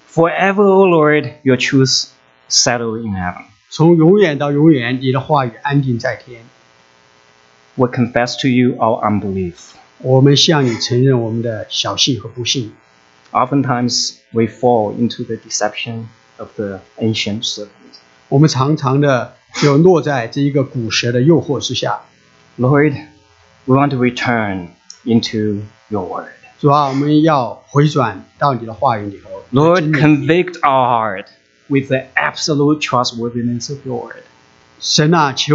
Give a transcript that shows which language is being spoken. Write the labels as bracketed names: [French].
[English] forever, O Lord, your truth settled in heaven. [Chinese] 从永远到永远, 你的话语安定在天, [English] we confess to you our unbelief. [Chinese] 我们向你承认我们的小信和不信, [English] oftentimes we fall into the deception of the ancient serpent. [Chinese] 我们常常的就落在这一个古蛇的诱惑之下, [English] Lord, we want to return into your word. [Chinese] 主啊,我们要回转到你的话语里头, [English] Lord, convict our heart with the absolute trustworthiness of your word.